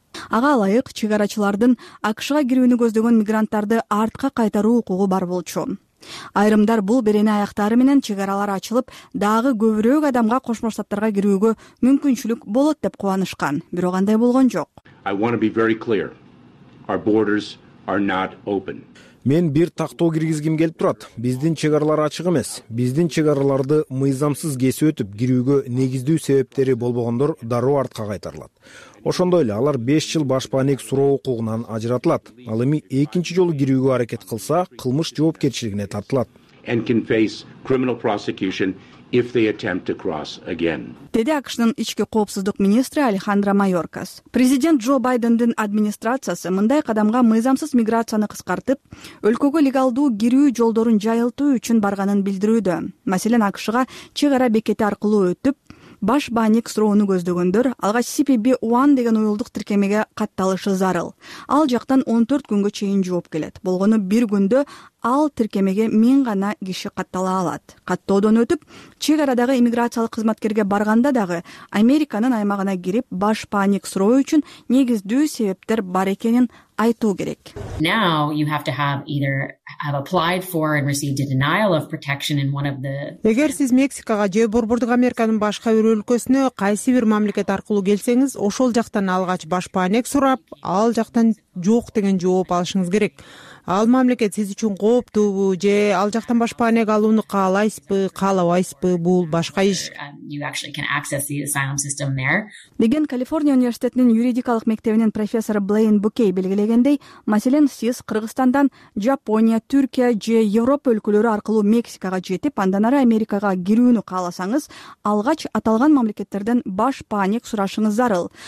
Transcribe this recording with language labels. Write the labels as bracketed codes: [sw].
[ky] Ага ылайык, чек арачылардын АКШга кирүүнү көздөгөн мигранттарды артка кайтаруу укугу бар болчу. Айрымдар бул берене аяктары менен чек аралар ачылып, дагы көбүрөөк адамга Кошмо Штаттарга кирүүгө мүмкүнчүлүк болот деп кубанышкан. Бирок андай болгон жок. [en] I want to be very clear. Our borders are not open. [ky] Мен бир тактоо киргизгим келип турат. Биздин чек аралар ачык эмес. Биздин чек араларды мыйзамсыз кесип өтүп кирүүгө негиздүү себептери болбогондор дароо артка кайтарылат. Ошондой эле алар 5 жыл башпаанек суроо укугунан ажыратылат. Ал эми экинчи жолу кирүүгө аракет кылса, кылмыш жоопкерчилигине тартылат. [en] And can face criminal prosecution if they attempt to cross again. [ky] Деди АКШнын ички коопсуздук министри Алехандро Майоркас. Президент Джо Байдендин администрациясы мындай кадамга мыйзамсыз миграцияны кыскартып, өлкөгө легалдуу кирүү жолдорун жайылтуу үчүн барганын билдирүүдө. Маселен, АКШга чек ара бекети аркылуу өтүп, баш бааник суроону көздөгөндөр алгач CPB-1 деген уюлдук тиркемеге катталышы зарыл. Ал жактан 14 күнгө чейин жооп келет. Болгону бир күндө ал тиркемеге миң гана киши каттала алат. Каттоодон өтүп, чек арадагы иммиграциялык кызматкерге барганда дагы Американын аймагына кирип, баш бааник суроо үчүн негиздүү себептер бар экенин айтуу керек. [en] Now you have to have either have applied for and received a denial of protection in one of the [ky] Эгер сиз Мексикага же борбордук Американын башка бир өлкөсүнө кайсы бир мамлекет аркылуу келсеңиз, ошол жактан алгач баш бааник сурап, ал жактан жок деген жооп алышыңыз керек. Ал мамлекет сиз үчүн кооптуубу же ал жактан баш бааник алууну каалайсызбы, каалабайсызбы, бул башка иш. [en] You actually can access the asylum system there. [ky] Деген Калифорния университетинин юридикалык мектебинин профессору Блейн Букей белгилегендей, маселен, сиз Кыргызстандан Жапония, Түркия же Европа өлкөлөрү аркылуу Мексикага жетип, андан ары Америкага кирүүнү кааласаңыз, алгач аталган мамлекеттерден баш бааник сурашыңыз зарыл.